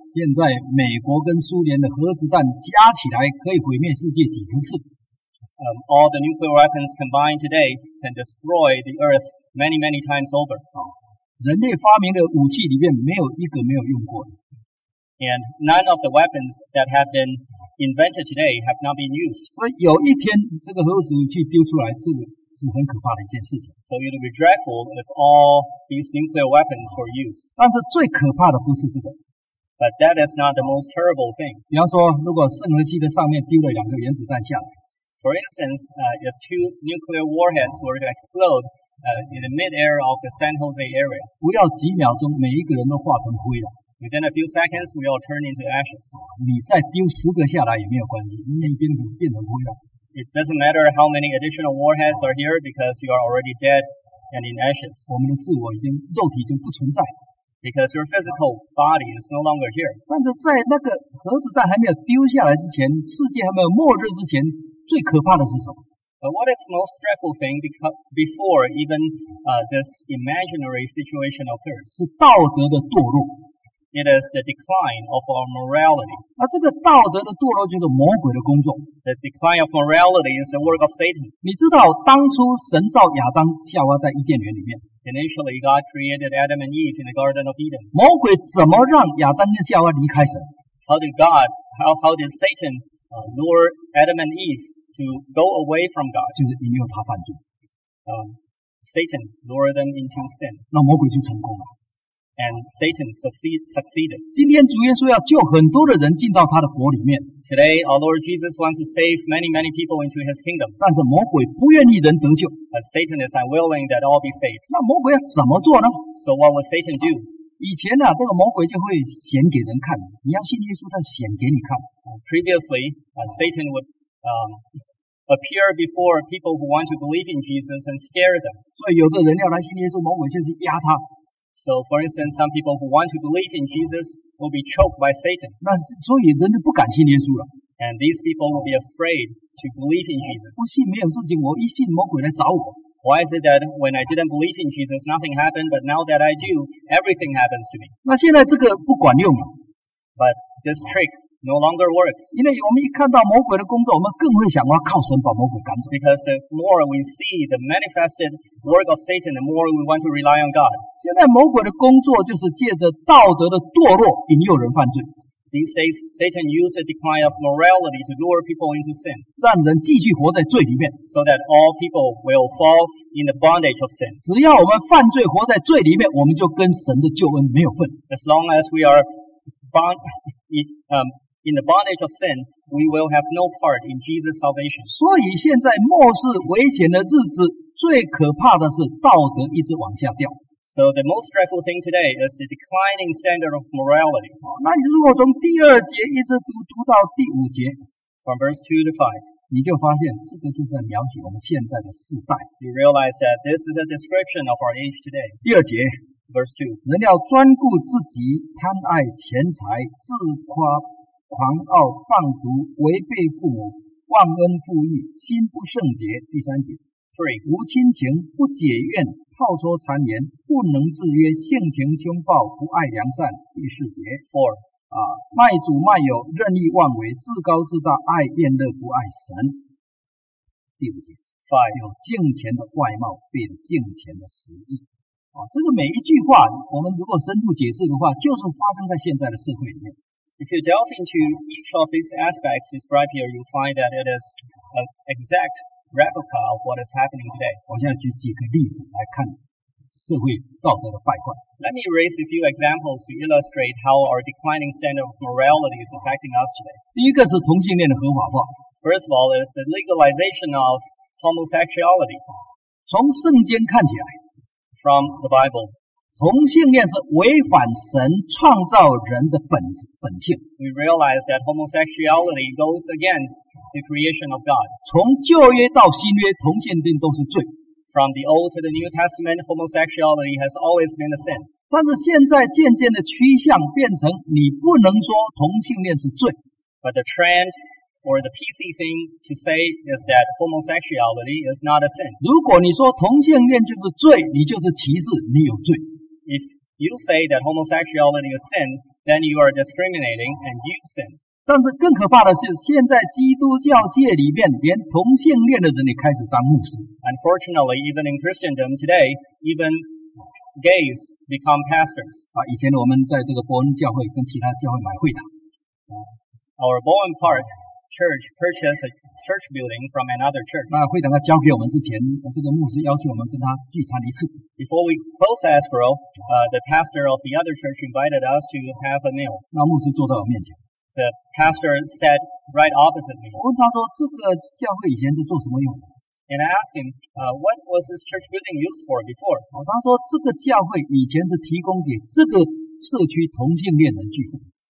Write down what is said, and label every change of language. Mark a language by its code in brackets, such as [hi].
[zh] 现在美国跟苏联的核子弹加起来可以毁灭世界几十次。 [en] All the nuclear weapons combined today can destroy the Earth many, many times over. [zh] 人类发明的武器里面没有一个没有用过的。 [en] And none of the weapons that have been invented today have not been used. [zh] 所以有一天这个核子武器丢出来是很可怕的一件事情。 [en] So it would be dreadful if all these nuclear weapons were used. [zh] 但是最可怕的不是这个。 [en] But that is not the most terrible thing. [zh] 比方说如果圣何西的上面丢了两个原子弹下来。 [en] For instance, if two nuclear warheads were to explode in the mid-air of the San Jose area, [zh] 不要几秒钟每一个人都化成灰了。 [en] Within a few seconds, we all turn into ashes. [zh] 你再丢十个下来也没有关系，因为你变成灰了。 [en] It doesn't matter how many additional warheads are here because you are already dead and in ashes. [zh] 我们的自我已经肉体已经不存在了。 [en] Because your physical body is no longer here. [zh] 但是在那个核子弹还没有丢下来之前，世界还没有末日之前，最可怕的是什么？ [en] But what is the most dreadful thing before even this imaginary situation occurs? [zh] 是道德的堕落。 [en] It is the decline of our morality. [zh] 那这个道德的堕落就是魔鬼的工作。 [en] The decline of morality is the work of Satan. [zh] 你知道当初神造亚当夏娃在伊甸园里面。 [en] Initially, God created Adam and Eve in the Garden of Eden. [zh] 魔鬼怎么让亚当跟夏娃离开神？ [en] How did Satan lure Adam and Eve to go away from God? [zh] 就是引诱他犯罪。 [en] Satan lured them into sin. [zh] 那魔鬼就成功了。 [en] And Satan succeeded. [zh] 今天主耶稣要救很多的人进到他的国里面。 [en] Today, our Lord Jesus wants to save many, many people into his kingdom. [zh] 但是魔鬼不愿意人得救。 [en] But Satan is unwilling that all be saved. [zh] 那魔鬼要怎么做呢？ [en] So what would Satan do? [zh] 以前啊，这个魔鬼就会显给人看，你要信耶稣，他显给你看。 [en] Previously, Satan would appear before people who want to believe in Jesus and scare them. [zh] 所以有的人要来信耶稣，魔鬼就是压他。 [en] So, for instance, some people who want to believe in Jesus will be choked by Satan. [zh] 那所以人就不敢信耶稣了。 [en] And these people will be afraid to believe in Jesus. [zh] 不信没有事情，我一信魔鬼来找我。 [en] Why is it that when I didn't believe in Jesus, nothing happened, but now that I do, everything happens to me? [zh] 那现在这个不管用了。 [en] But this trick no longer works. [zh] 因为我们一看到魔鬼的工作，我们更会想要靠神把魔鬼赶走。 [en] Because the more we see the manifested work of Satan, the more we want to rely on God. [zh] 现在魔鬼的工作就是借着道德的堕落引诱人犯罪。 [en] These days, Satan used the decline of morality to lure people into sin. [zh] 让人继续活在罪里面。 [en] So that all people will fall in the bondage of sin. [zh] 只要我们犯罪活在罪里面，我们就跟神的救恩没有份。 [en] As long as we are in the bondage of sin, we will have no part in Jesus' salvation. [zh] 所以现在末世危险的日子，最可怕的是道德一直往下掉。 [en] So the most dreadful thing today is the declining standard of morality. [zh] 那你如果从第二节一直读到第五节 [en] ，from verse 2 to 5, [zh] 你就发现这个就是在描写我们现在的世代。 [en] You realize that this is a description of our age today. [zh] 第二节。 [en] Verse 2. [zh] 人要专顾自己，贪爱钱财，自夸狂傲，谤毒，违背父母，忘恩负义，心不圣洁。第三节。 [en] 3. [zh] 无亲情，不解怨，套说谗言，不能制约，性情凶暴，不爱良善。第四节。 [en] 4. [zh] 卖主卖友，任意妄为，自高自大，爱厌乐，不爱神。第五节。 [en] 5. [zh] 有敬虔的外貌，比敬虔的实意。这个每一句话我们如果深入解释的话，就是发生在现在的社会里面。 [en] If you delve into each of these aspects described here, you'll find that it is an exact replica of what is happening today. [zh] 我现在举几个例子来看社会道德的败坏。 [en] Let me raise a few examples to illustrate how our declining standard of morality is affecting us today. [zh] 第一个是同性恋的合法化。 [en] First of all is the legalization of homosexuality. [zh] 从圣经看起来 [en] From the Bible. [zh] 同性恋是违反神创造人的本性。 [en] We realize that homosexuality goes against the creation of God. [zh] 从旧约到新约，同性恋都是罪。 [en] From the Old to the New Testament, homosexuality has always been a sin. [zh] 但是现在渐渐的趋向变成你不能说同性恋是罪。 [en] But the trend or the PC thing to say is that homosexuality is not a sin. [zh] 如果你说同性恋就是罪，你就是歧视，你有罪。 [en] If you say that homosexuality is sin, then you are discriminating and you sin. [zh] 但是更可怕的是，现在基督教界里面，连同性恋的人也开始当牧师。 [en] Unfortunately, even in Christendom today, even gays become pastors. [zh] 啊，以前我们在这个伯恩教会跟其他教会买会堂。 [en] Our Bowen Park Church purchased a church building from another church. [zh] 那会堂他交给我们之前，这个牧师邀请我们跟他聚餐一次。 [en] Before we closed escrow, the pastor of the other church invited us to have a meal. [zh] 那牧师坐在我面前。 [en] The pastor sat right opposite me. [zh] 我问他说，这个教会以前是做什么用的？ [en] And I asked him, what was this church building used for before? [zh] 他说，这个教会以前是提供给这个社区同性恋人聚会。